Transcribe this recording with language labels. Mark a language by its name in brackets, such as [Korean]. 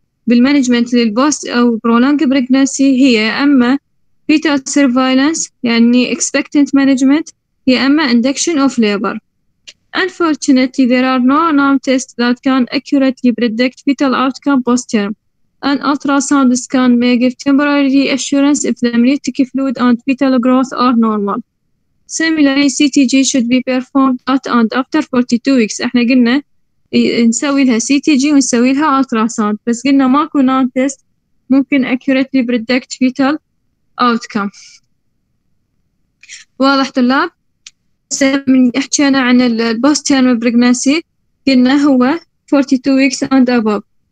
[English] بالمانجمنت للبوست او برولونج بريجنسي هي اما فيتال سيرفايلنس يعني اكسبكتنت مانجمنت هي اما induction of labour. Unfortunately, there are no known tests that can accurately predict fetal outcome post-term. An ultrasound scan may give temporary assurance if the amniotic fluid and fetal growth are normal. Similarly, CTG should be performed at and after 42 weeks. [Arabic] احنا قلنا نسوي لها CTG ونسوي لها ultrasound. بس قلنا ماكو [English] known test ممكن accurately predict fetal outcome. [Arabic] واضح طلاب؟ من حكينا عن [English] البوست term pregnancy [Arabic] قلنا هو [English] 42 weeks and above.